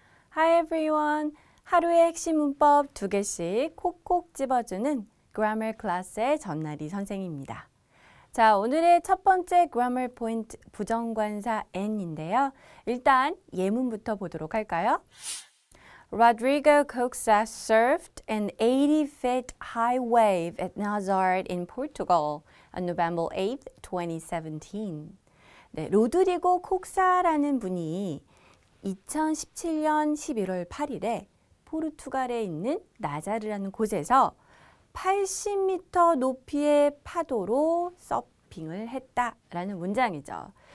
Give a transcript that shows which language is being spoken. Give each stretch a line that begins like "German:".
English: 하이 에브리원,
Korean: 하루의 핵심 문법 두 개씩 콕콕 집어주는 그래머 클래스의 전나리 선생입니다. 자, 오늘의 첫 번째 그래머 포인트 부정관사 N인데요. 일단 예문부터 보도록 할까요?
English: Rodrigo Coxa surfed an 80-foot high wave at Nazaré in Portugal on November 8th, 2017.
Korean: 네, 로드리고 콕사라는 분이 2017년 11월 8일에 포르투갈에 있는 나자르라는 곳에서 80m 높이의 파도로 서핑을 했다라는 문장이죠.